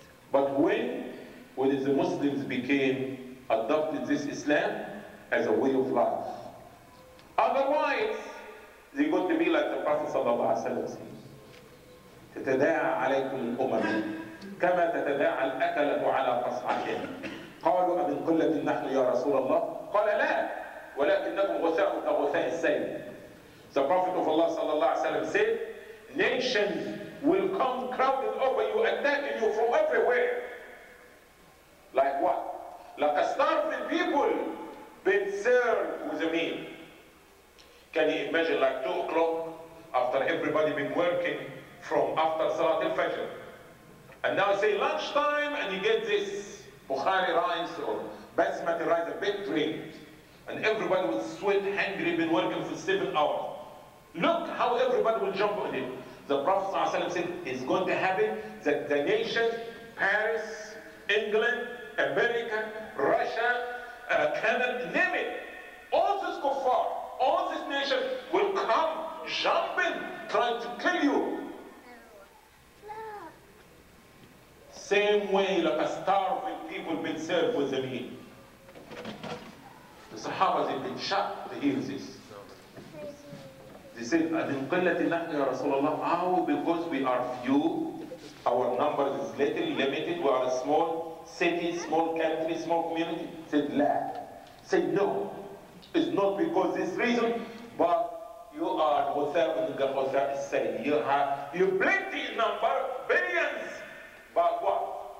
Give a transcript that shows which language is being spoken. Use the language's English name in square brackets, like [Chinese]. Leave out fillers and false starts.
[English] But when the Muslims became adopted this Islam as a way of life, otherwise they got to be like the Prophet sallallahu alaihi wasallam said, [Arabic] تتداعى عليكم الأمم كما تتداعى الأكلة على قصعها. قالوا أمن قلة نحن يا رسول الله؟ قال لا، ولكنكم غثاء كغثاء السيل. [English] The Prophet of Allah صلى الله عليه وسلم said, nations will come crowding over you, attacking you from everywhere. Like what? Like a starving people been served with a meal. Can you imagine, like 2 o'clock after everybody been working from after Salat al-Fajr. And now say lunchtime and you get this Bukhari rice or basmati rice, a big drink. And everybody will sweat, hungry, been working for 7 hours. Look how everybody will jump on it. The Prophet ﷺ said it's going to happen that the nation, Paris, England, America, Russia, Canada, name it. All this kuffar, all this nation will come jumping, trying to kill you. Same way like a starving people been served with the meal. The Sahaba, they've been shocked to hear this. They said, [Arabic] أَذِنْ قِلَّةِ نَحْنِ يَا رَسُولَ اللَّهِ [English] How? Because we are few. Our number is little, limited. We are a small city, small country, small community. Said, لا. Said, no. It's not because this reason, but you are [Arabic] غُثَاءُ غُثَاءُ السَّيْدِ. [English] You have, you plenty number, billions. But what?